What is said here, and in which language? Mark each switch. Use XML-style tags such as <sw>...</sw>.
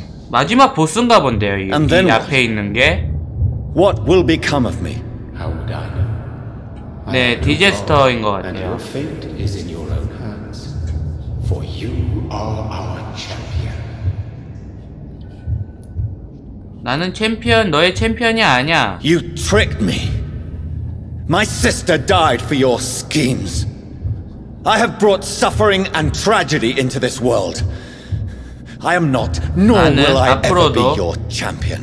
<ko>마지막 보스인가 본데요. 이 앞에</ko> <en>what?</en> <ko>있는 게.</ko> <en>What will become of me? How would I know?</en> <ko>네, 디제스터인 것 같아요.</ko> <en>And your fate is in your own hands. For you are our champion.</en> <ko>나는 챔피언, 너의 챔피언이 아니야.</ko> <en>You tricked me. My sister died for your schemes. I have brought suffering and tragedy into this world. I am not, nor will I ever be your champion.</en>